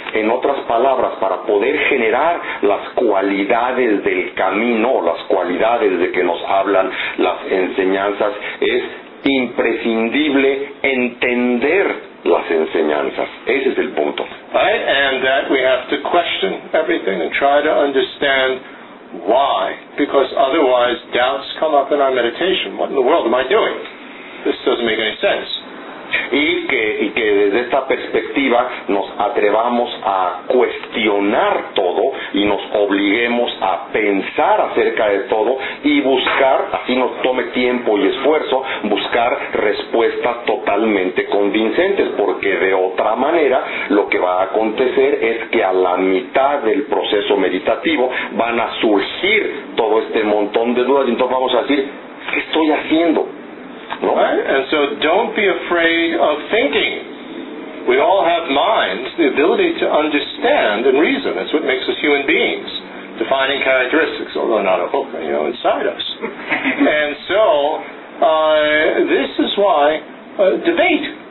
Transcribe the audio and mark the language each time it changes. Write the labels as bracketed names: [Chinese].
[Spanish] En otras palabras, para poder generar las cualidades del camino, las cualidades de que nos hablan las enseñanzas, es imprescindible entender las enseñanzas. Ese es el punto. [English] Right, and that we have to question everything and try to understand why, because otherwise doubts come up in our meditation. What in the world am I doing? This doesn't make any sense. [Spanish] Y que desde esta perspectiva nos atrevamos a cuestionar todo y nos obliguemos a pensar acerca de todo y buscar, así nos tome tiempo y esfuerzo, buscar respuestas totalmente convincentes, porque de otra manera lo que va a acontecer es que a la mitad del proceso meditativo van a surgir todo este montón de dudas y entonces vamos a decir, ¿qué estoy haciendo? No. [English] Right? And so don't be afraid of thinking. We all have minds, the ability to understand and reason. That's what makes us human beings, defining characteristics, although not a hook, inside us. And so this is why debate